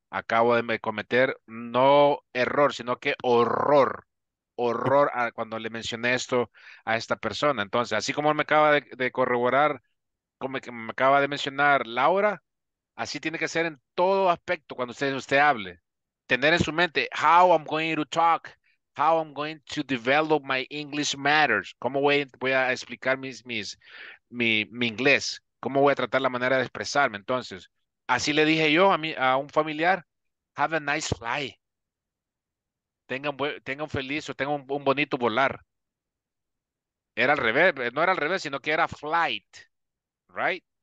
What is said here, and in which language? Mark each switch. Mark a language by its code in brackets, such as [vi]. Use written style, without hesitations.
[es] Acabo de cometer, no error, sino que horror cuando le mencioné esto a esta persona. Entonces, así como me acaba de corroborar, como que me acaba de mencionar Laura, así tiene que ser en todo aspecto cuando usted hable. Tener en su mente, [en] how I'm going to talk, how I'm going to develop my English matters. [es] ¿Cómo voy a explicar mi inglés? ¿Cómo voy a tratar la manera de expresarme? Entonces, así le dije yo a un familiar, [en] have a nice fly. [es] Tengan feliz o tengan un bonito volar. Era al revés, no era al revés, sino que era flight. [en] Right?